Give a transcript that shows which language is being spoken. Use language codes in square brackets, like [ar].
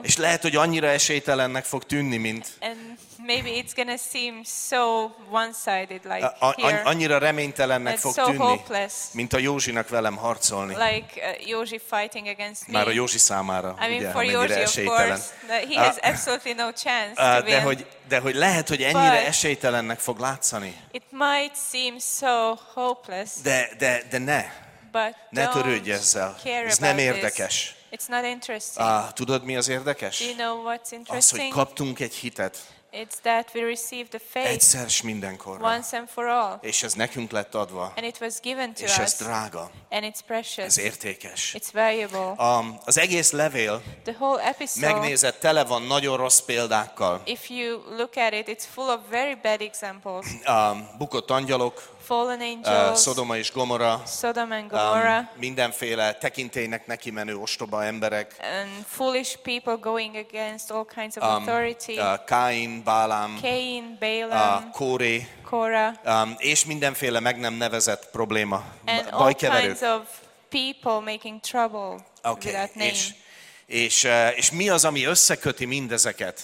[hu] És lehet, hogy annyira esélytelennek fog tűnni, mint. [en] And maybe it's gonna seem so one-sided, like here. [hu] Annyira reménytelennek fog [en] so [hu] tűnni, [en] hopeless, [hu] mint a Józsinak velem harcolni. [en] Like Józsi fighting against me. [hu] Már a Józsi számára, [en] I [hu] ugye, [en] mean, for [hu] ha mennyire Józsi, esélytelen. [en] Of course, he has absolutely no chance to win. [hu] De hogy lehet, hogy ennyire esélytelennek fog látszani. [en] It might seem so hopeless. [hu] De ne. [en] But [hu] ne törődj ezzel. Ez nem érdekes. [en] This. It's not interesting. [hu] Tudod, mi az érdekes? [en] Do you know what's interesting? [hu] Az, hogy kaptunk egy hitet. [en] It's that we receive the faith [hu] egyszer s mindenkorra. [en] Once and for all. [hu] És ez nekünk lett adva. [en] And it was given to [hu] és [en] us. [hu] És ez drága. [en] And it's precious. [hu] Ez értékes. [en] It's valuable. [hu] Az egész levél, [en] the whole episode, [hu] megnézed, tele van nagyon rossz példákkal. [en] If you look at it, it's full of very bad examples. [hu] Bukott angyalok. [en] Fallen angels. [hu] Sodoma és Gomorra. [en] Sodom and Gomorrah. [hu] Mindenféle tekintélynek neki menő ostoba emberek. [en] And foolish people going against all kinds of authority. [hu] Cain, Balaam. [en] Cain, Balaam. [hu] Kóre. [en] Kóra. [hu] És mindenféle meg nem nevezett probléma. [en] And [hu] bajkeverő. [en] All kinds of people making trouble okay. with that name. [hu] És mi az, ami összeköti mindezeket?